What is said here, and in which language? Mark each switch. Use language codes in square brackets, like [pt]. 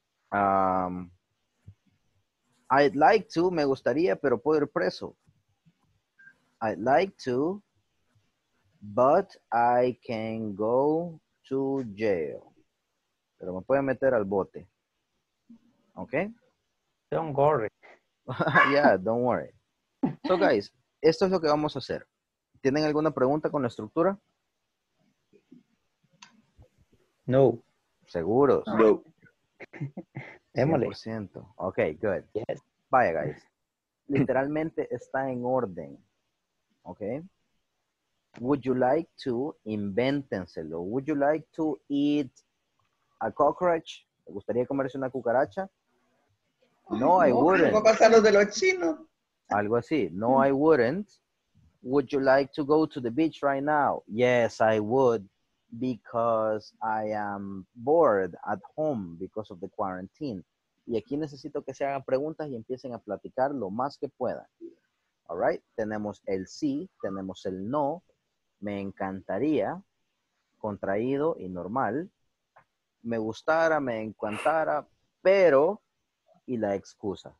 [en] I'd like to, [es] me gustaría, pero puedo ir preso. [en] I'd like to, but I can go to jail. [es] Pero me pueden meter al bote. Okay? [en] Don't worry. Yeah, don't worry. [es] So guys, esto es lo que vamos a hacer. ¿Tienen alguna pregunta con la estructura? No. ¿Seguros? No. [en] 100%. Ok, good. Yes. [es] Vaya, guys. Literalmente está en orden. Ok. [en] Would you like to, [es] invéntenselo. [en] Would you like to eat a cockroach? [es] ¿Te gustaría comerse una cucaracha? [en] No, I wouldn't. [es] ¿Cómo pasa lo de los chinos? Algo así. [en] No, I wouldn't. Would you like to go to the beach right now? Yes, I would, because I am bored at home because of the quarantine. [es] Y aquí necesito que se hagan preguntas y empiecen a platicar lo más que puedan. [en] All right? [es] Tenemos el sí, tenemos el no, me encantaría, contraído y normal, me gustara, me encantara, pero, y la excusa.